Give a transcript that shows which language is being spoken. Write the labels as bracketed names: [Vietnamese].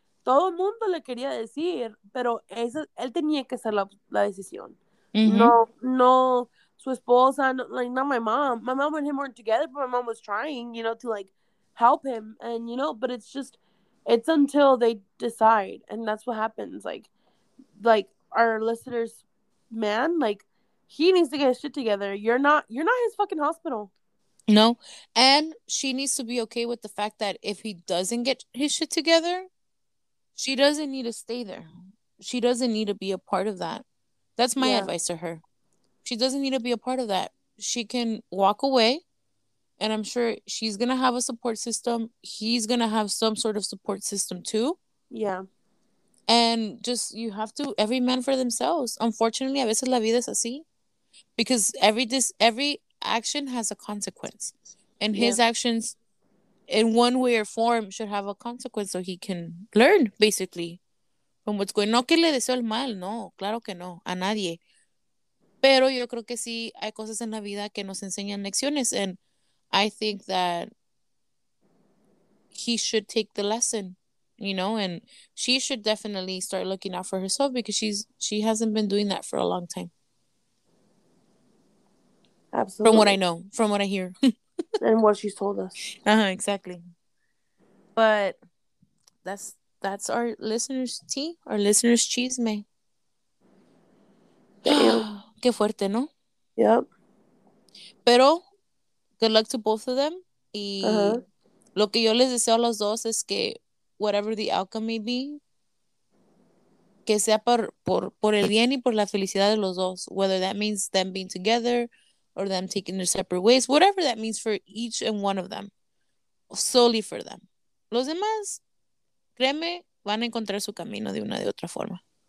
[Spanish] Todo el mundo le quería decir, pero eso, él tenía que hacer la decisión. Mm-hmm. No, su esposa, no, [English] like, not my mom. My mom and him weren't together, but my mom was trying, you know, to, like, help him. And, you know, but it's until they decide. And that's what happens. Like our listener's man, like, he needs to get his shit together. You're not his fucking hospital. No. And she needs to be okay with the fact that if he doesn't get his shit together, she doesn't need to stay there. She doesn't need to be a part of that. That's my advice to her. She doesn't need to be a part of that. She can walk away. And I'm sure she's going to have a support system. He's going to have some sort of support system too. Yeah. And just, you have to, every man for themselves. Unfortunately, [Spanish] a veces la vida es así. [English] Because every action has a consequence. And his actions, in one way or form, should have a consequence so he can learn, basically, from what's going on. [Spanish] No que le deseo el mal, no, claro que no, a nadie. Pero yo creo que sí hay cosas en la vida que nos enseñan lecciones, [English] and I think that he should take the lesson, you know, and she should definitely start looking out for herself, because she hasn't been doing that for a long time. Absolutely. From what I know, from what I hear. And what she's told us. Uh-huh, exactly. But that's our listener's tea, our listener's chisme. Damn. [Spanish] Qué fuerte, ¿no? [English] Yep. [Spanish] Pero, [English] good luck to both of them. [Spanish] Y lo que yo les deseo a los dos es que, [English] whatever the outcome may be, [Spanish] que sea por el bien y por la felicidad de los dos. [English] Whether that means them being together, or them taking their separate ways, whatever that means for each and one of them, solely for them. [Spanish] Los demás, créeme, van a encontrar su camino de una de otra forma.